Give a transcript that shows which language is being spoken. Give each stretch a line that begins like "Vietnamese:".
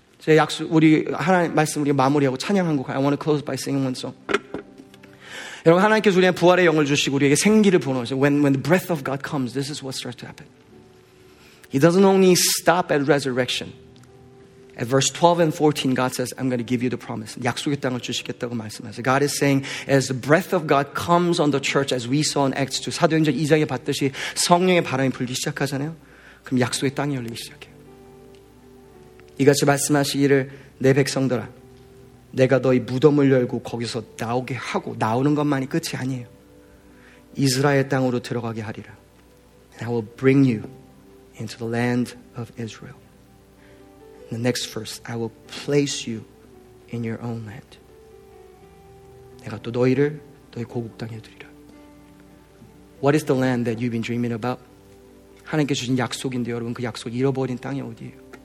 Korean: 제 약속 우리 하나님 말씀 우리 마무리하고 찬양 한 곡.
English: I want to close by singing one song.
Korean: 여러분 하나님께서 우리에게 부활의 영을 주시고 우리에게 생기를 부어넣으세요.
English: When the breath of God comes, this is what starts to happen. He doesn't only stop at resurrection. At verse 12 and 14, God says, I'm going to give you the promise.
Korean: 약속의 땅을 주시겠다고 말씀하세요.
English: God is saying, as the breath of God comes on the church, as we saw in Acts 2, 사도행전 2장에 봤듯이 성령의 바람이 불기 시작하잖아요.
Korean: 그럼 약속의 땅이 열리기 시작해요. 이같이 말씀하시기를 내 백성들아, 내가 너희 무덤을 열고 거기서 나오게 하고 나오는 것만이 끝이 아니에요. 이스라엘 땅으로 들어가게 하리라.
English: And I will bring you into the land of Israel. The next verse, I will place you in your own land.
Korean: 내가 또 너희를 너희 고국 땅에 두리라. What is the land that you've been dreaming about? 하나님께 주신 약속인데 여러분 그 약속 잃어버린 땅이 어디예요?